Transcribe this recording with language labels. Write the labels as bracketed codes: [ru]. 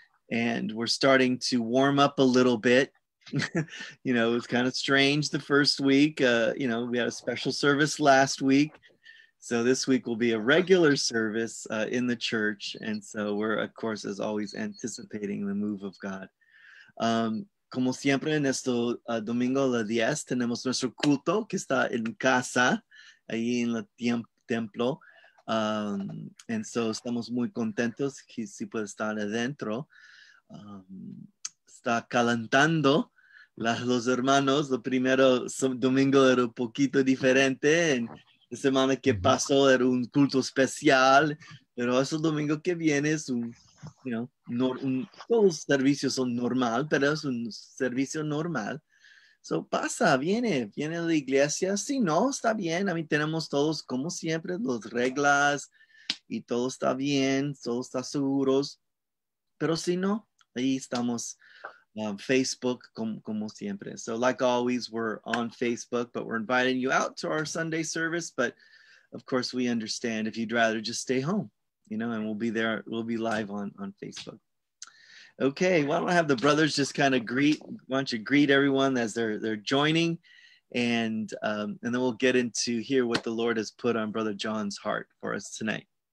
[en] And we're starting to warm up a little bit. You know, it was kind of strange the first week. We had a special service last week. So this week will be a regular service in the church. And so we're, of course, as always, anticipating the move of God. [es] Como siempre, en este domingo a las 10, tenemos nuestro culto que está en casa, ahí en el templo. And so estamos muy contentos que si puede estar adentro. Está calentando los hermanos. Lo primero domingo era un poquito diferente. La semana que pasó era un culto especial, pero ese domingo que viene es todos los servicios son normal, pero es un servicio normal. So pasa, viene a la iglesia. Si no, está bien. A mí tenemos todos, como siempre, las reglas y todo está bien, todo está seguros. Pero si no, ahí estamos, Facebook, como siempre. [en] So like always, we're on Facebook, but we're inviting you out to our Sunday service. But of course, we understand if you'd rather just stay home, and we'll be there. We'll be live on Facebook. Okay, why don't I have the brothers just kind of greet, why don't you greet everyone as they're joining, and then we'll get into hear what the Lord has put on Brother John's heart for us tonight.